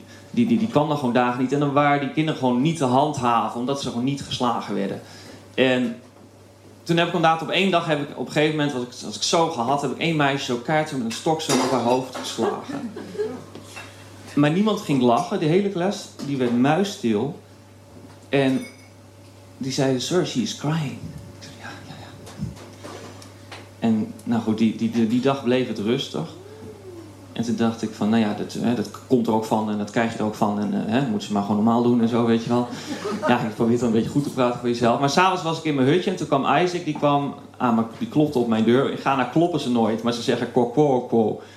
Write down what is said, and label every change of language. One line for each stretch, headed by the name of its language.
Dutch: Die kwam dan gewoon dagen niet en dan waren die kinderen gewoon niet te handhaven, omdat ze gewoon niet geslagen werden. En, toen heb ik inderdaad op één dag, heb ik op een gegeven moment, als ik zo gehad, heb ik één meisje zo keihard met een stok zo op haar hoofd geslagen. Maar niemand ging lachen, de hele klas, die werd muisstil. En die zei,
English: sir, she is crying.
Dutch: Ik zei, ja. En nou goed, die dag bleef het rustig. En toen dacht ik van, nou ja, dat komt er ook van en dat krijg je er ook van. En moet ze maar gewoon normaal doen en zo, weet je wel. Ja, ik probeer dan een beetje goed te praten voor jezelf. Maar s'avonds was ik in mijn hutje en toen kwam Isaac, die klopte op mijn deur. Ik ga naar kloppen ze nooit, maar ze zeggen kwo, kwo, kwo.